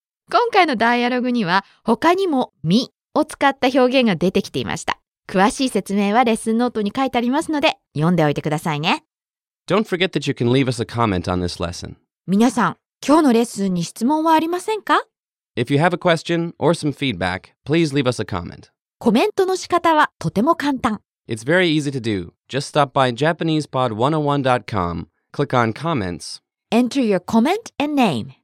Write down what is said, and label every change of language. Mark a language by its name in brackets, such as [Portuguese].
[Japanese] 今回のダイアログには他にも身を使った表現が出てきていました。詳しい説明はレッスンノートに書いてありますので読んでおいてくださいね。 [English] Don't forget that you can leave us a comment on this lesson. [Japanese] 皆さん、今日のレッスンに質問はありませんか? [English] If you have a question or some feedback, please leave us a comment. [Japanese] コメントの仕方はとても簡単。 [English] It's very easy to do. Just stop by JapanesePod101.com, click on comments, enter your comment and name.